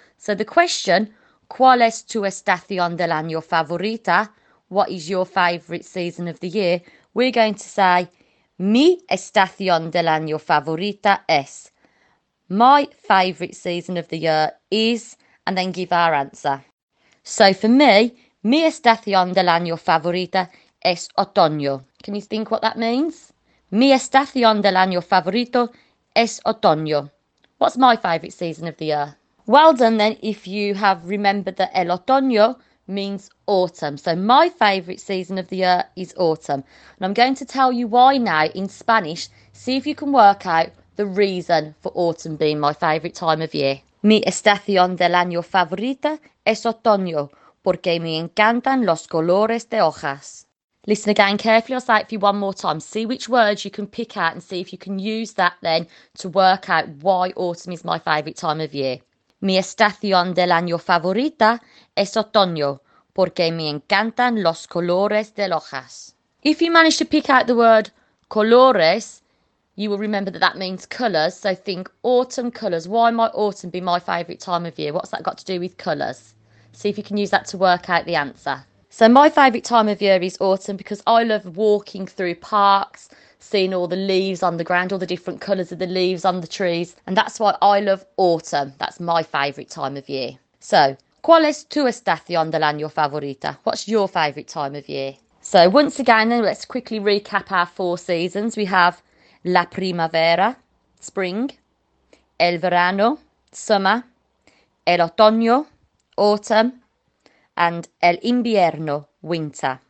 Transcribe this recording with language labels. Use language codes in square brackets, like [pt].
[en] So the question, [es] ¿cuál es tu estación del año favorita? [en] What is your favourite season of the year? We're going to say, [es] mi estación del año favorita es. [en] My favourite season of the year is, and then give our answer. So for me, [es] mi estación del año favorita es otoño. [en] Can you think what that means? [es] Mi estación del año favorito es otoño. [en] What's my favourite season of the year? Well done then if you have remembered that el otoño means autumn. So my favourite season of the year is autumn. And I'm going to tell you why now in Spanish. See if you can work out the reason for autumn being my favourite time of year. [es] Mi estación del año favorita es otoño porque me encantan los colores de hojas. [en] Listen again carefully, I'll say it for you one more time. See which words you can pick out and see if you can use that then to work out why autumn is my favourite time of year. [es] Mi estación del año favorita es otoño porque me encantan los colores de hojas. [en] If you manage to pick out the word colores, you will remember that that means colours. So think autumn colours. Why might autumn be my favourite time of year? What's that got to do with colours? See if you can use that to work out the answer. So my favourite time of year is autumn because I love walking through parks, seeing all the leaves on the ground, all the different colours of the leaves on the trees. And that's why I love autumn. That's my favourite time of year. So, [es] ¿cuál es tu estación del año favorita? [en] What's your favourite time of year? So once again, then let's quickly recap our four seasons. [es] We have la primavera, spring, el verano, summer, el otoño, autumn, and el invierno, winter.